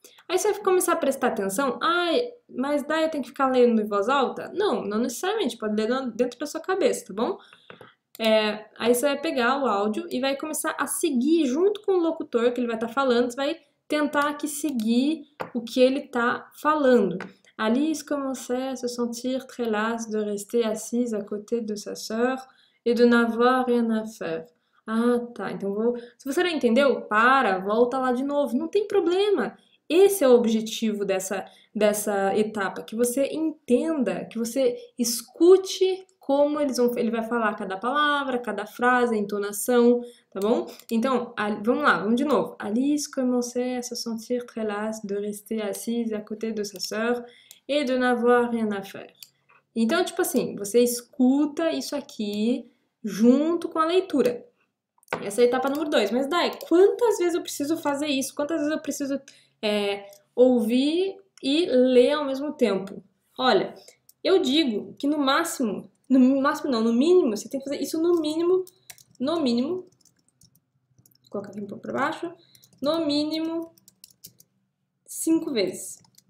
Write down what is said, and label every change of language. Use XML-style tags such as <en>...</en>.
<pt>Aí você vai começar a prestar atenção, ai, mas daí eu tenho que ficar lendo em voz alta? Não, não necessariamente, pode ler dentro da sua cabeça, tá bom? Aí você vai pegar o áudio e vai começar a seguir junto com o locutor que ele vai estar falando, você vai tentar aqui seguir o que ele está falando.</pt> <fr>Alice commençait à se sentir très lasse de rester assise à côté de sa sœur Et de n'avoir rien à faire.</fr> <pt>Ah, tá. Então, se você não entendeu, para, volta lá de novo. Não tem problema. Esse é o objetivo dessa etapa, que você entenda, que você escute como ele vai falar cada palavra, cada frase, a entonação, tá bom? Então, vamos lá, vamos de novo.</pt> <fr>Alice commençait à se sentir très lasse de rester assise à côté de sa sœur et de n'avoir rien à faire.</fr> <pt>Então, tipo assim, você escuta isso aqui junto com a leitura. Essa é a etapa número 2. Mas, Dai, quantas vezes eu preciso fazer isso? Quantas vezes eu preciso ouvir e ler ao mesmo tempo? Olha, eu digo que no máximo não, no mínimo, você tem que fazer isso no mínimo, vou colocar aqui um pouco para baixo, no mínimo 5 vezes.</pt>